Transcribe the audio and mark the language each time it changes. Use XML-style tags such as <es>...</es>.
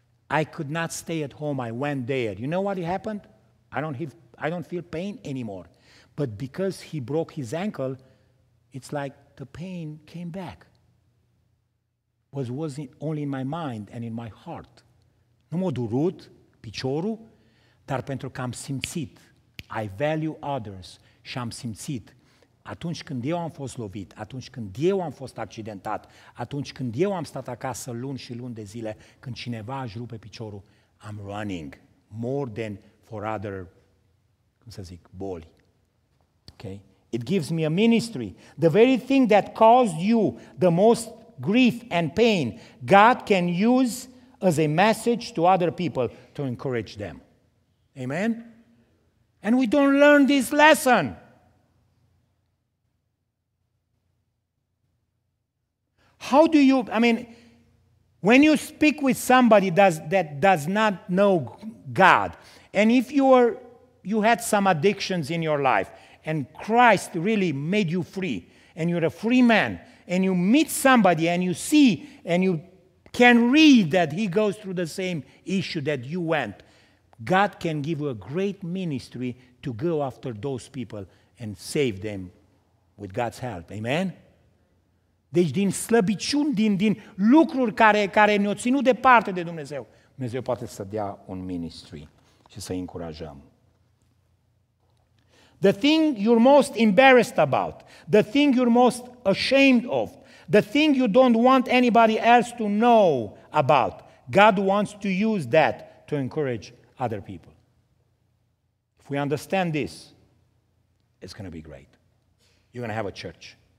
<en>I could not stay at home. I went there. You know what happened? I don't feel pain anymore. But because he broke his ankle, it's like the pain came back. Was wasn't only in my mind and in my heart.</en> <ro>Nu mă durut, piciorul, dar pentru că am simțit.</ro> <en>I value others</en> <ro>și am simțit. Atunci când eu am fost lovit, atunci când eu am fost accidentat, atunci când eu am stat acasă luni și luni de zile, când cineva își rupe piciorul,</ro> <en>I'm running more than for other,</en> <ro>cum să zic, boli.</ro> <en>Okay? It gives me a ministry. The very thing that caused you the most grief and pain, God can use as a message to other people to encourage them. Amen? And we don't learn this lesson. How do you, I mean, when you speak with somebody that does not know God, and if you had some addictions in your life, and Christ really made you free, and you're a free man, and you meet somebody, and you see, and you can read that he goes through the same issue that you went, God can give you a great ministry to go after those people and save them with God's help. Amen?</en> <ro>Deci din slăbiciuni, din lucruri care ne-au ținut departe de Dumnezeu, Dumnezeu poate să dea un ministry și să-i încurajăm.</ro> <en>The thing you're most embarrassed about, the thing you're most ashamed of, the thing you don't want anybody else to know about, God wants to use that to encourage other people. If we understand this, it's going to be great. You're going to have a church.</en>